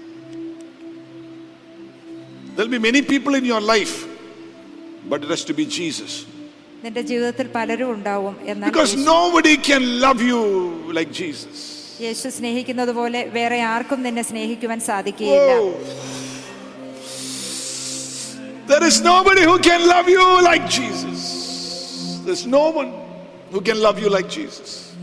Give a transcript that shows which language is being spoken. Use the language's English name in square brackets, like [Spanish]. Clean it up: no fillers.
[English] There will be many people in your life, but it has to be Jesus. [Malayalam] നിന്റെ ജീവിതത്തിൽ പലരും ഉണ്ടാവും എന്നാണ്. [English] Because nobody can love you like Jesus. [Malayalam] യേശു സ്നേഹിക്കുന്നതുപോലെ വേറെ ആർക്കും നിന്നെ സ്നേഹിക്കുവാൻ സാധിക്കില്ല. [English] There is nobody who can love you like Jesus. There's no one who can love you like Jesus.